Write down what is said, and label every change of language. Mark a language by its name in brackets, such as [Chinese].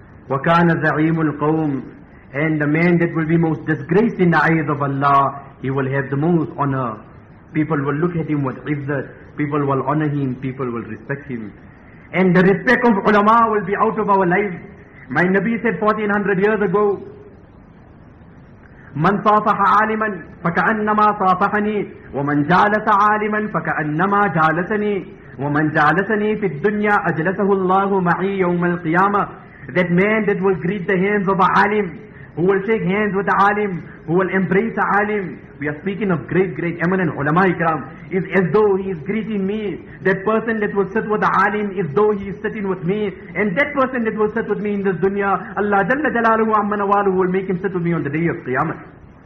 [Arabic] وَكَانَ زَعِيمُ الْقَوْمِ. [English] And the man that will be most disgraced in the eyes of Allah, he will have the most honor. People will look at him with izzat. People will honor him. People will respect him. And the respect of ulama will be out of our lives. My Nabi said 1400 years ago, [Arabic] مَنْ صَافَحَ عَالِمًا فَكَأَنَّمَا صَافَحَنِي وَمَنْ جَالَسَ عَالِمًا فَكَأَنَّمَا جَالَسَنِي وَمَنْ جَالَسَنِي فِي الدُّنْيَا أَجْلَسَهُ اللَّهُ مَعِي يَوْمَ الْقِيَامَةِ. [English] That man that will greet the hands of a alim, who will shake hands with the alim, who will embrace the alim. We are speaking of great eminent ulama ikram. It's as though he is greeting me. That person that will sit with the alim is though he is sitting with me. And that person that will sit with me in this dunya, Allah Jalla Jalaluhu Amma Nawaluhu will make him sit with me on the day of Qiyamah.